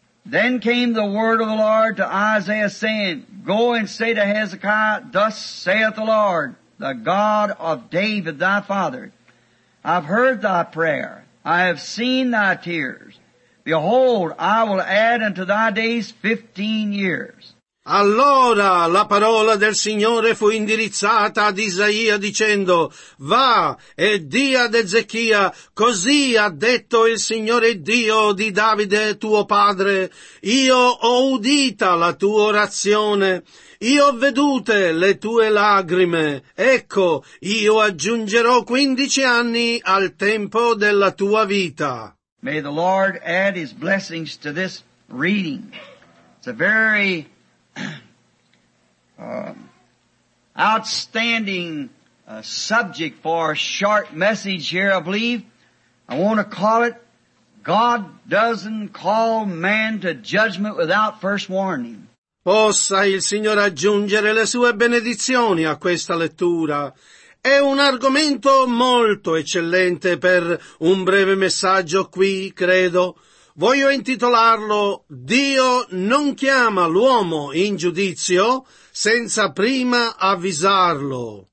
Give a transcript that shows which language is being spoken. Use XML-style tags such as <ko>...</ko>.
<en>Then came the word of the Lord to Isaiah, saying, Go and say to Hezekiah, Thus saith the Lord, the God of David thy father, I've heard thy prayer, I have seen thy tears. Behold, I will add unto thy days 15 years.</en> <it>Allora la parola del Signore fu indirizzata ad Isaia dicendo, Va e di ad Ezechia, così ha detto il Signore Dio di Davide tuo padre, io ho udita la tua orazione, io ho vedute le tue lacrime, ecco, io aggiungerò 15 anni al tempo della tua vita.</it> <en>May the Lord add his blessings to this reading. It's a very outstanding subject for a short message here, I believe. I want to call it, God doesn't call man to judgment without first warning.</en> <it>Possa il Signore aggiungere le sue benedizioni a questa lettura. È un argomento molto eccellente per un breve messaggio qui, credo. Voglio intitolarlo Dio non chiama l'uomo in giudizio senza prima avvisarlo.</it>